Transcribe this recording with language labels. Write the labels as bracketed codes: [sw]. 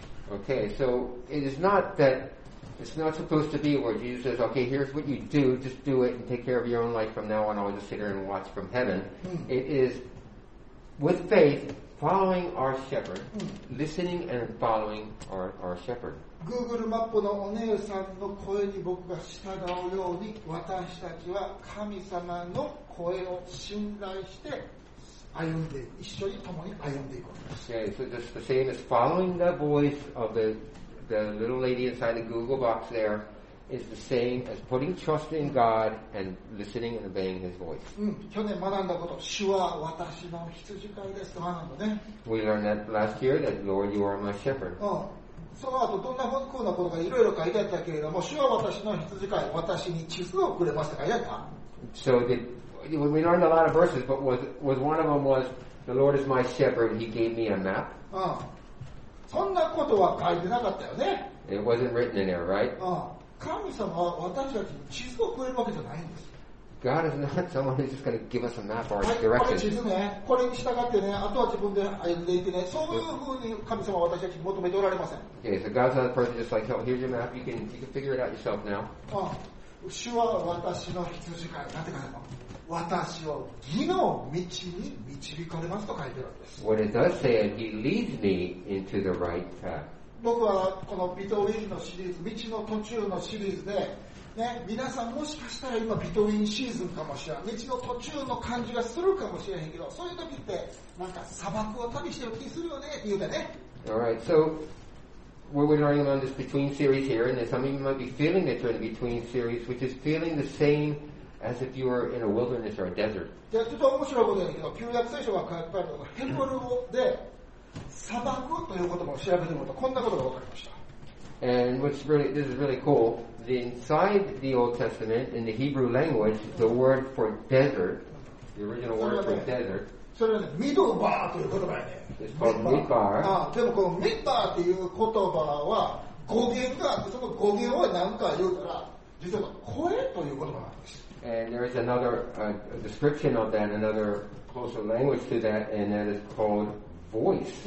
[en] Okay, so it is not that it's not supposed to be where Jesus says, okay, here's what you do, just do it and take care of your own life from now on, I'll just sit here and watch from heaven. It is with faith, following our shepherd, listening and following our shepherd. [ja] Google マップのお姉さんの声に僕が従うように私たちは神様の声を信頼して歩んで一緒に共に歩んでいくわけです。 [en] Okay, so just the same as following the voice of the little lady inside the Google box there is the same as putting trust in God and listening and obeying His voice. [ja] 去年学んだこと、主は私の羊飼いですと学んだね。 [en] We learned that last year that Lord, you are my shepherd.、 [ja] うんその後どんなふうなことがいろいろ書いてあったけれども、主は私の羊飼い、私に地図をくれますと書いてあった。 [en] So we learned a lot of verses, but was one of them was, the Lord is my shepherd, he gave me a map. うん。 [ja] そんなことは書いてなかったよね。 [en] It wasn't written in there, right? うん。 [ja] 神様は私たちに地図をくれるわけじゃないんです。 [en] God is not someone who's just going to give us a map or a direction. [ja] これ地図ね、これに従ってね、あとは自分で歩んでいてね、そういうふうに神様は私たちに求めておられません。 [en] Okay, so God's not a person just like, oh, here's your map. You can figure it out yourself now. [ja] 主は私の羊飼い。なんて書いてあるの？私を義の道に導かれますと書いてあるんです。 [en] What it does say, He leads me into the right path. [ja] 僕はこのビトウィンのシリーズ、道の途中のシリーズで。ね、皆さんもしかしたら今ビトウィンシーズンかもしれない道の途中の感じがするかもしれへんけどそういう時ってなんか砂漠を旅してる気するよねって言うてね [en] Alright, so we're learning on this between series here and some of you might be feeling that you're in a between series which is feeling the same as if you were in a wilderness or a desert [ja] じゃあちょっと面白いことやねんけど旧約聖書が書いてあるのがヘブル語で砂漠という言葉を調べてみるとこんなことが分かりました [en] And what's really, this is really cool. The inside the Old Testament, in the Hebrew language, the word for desert, the original word for desert, [ja] それはね、ミドバーという言葉やね。でもこのミバーという言葉は語源があって、その語源は何か言うから、実は声という言葉なんです。 [en] And there is another description of that, another closer language to that, and that is called voice.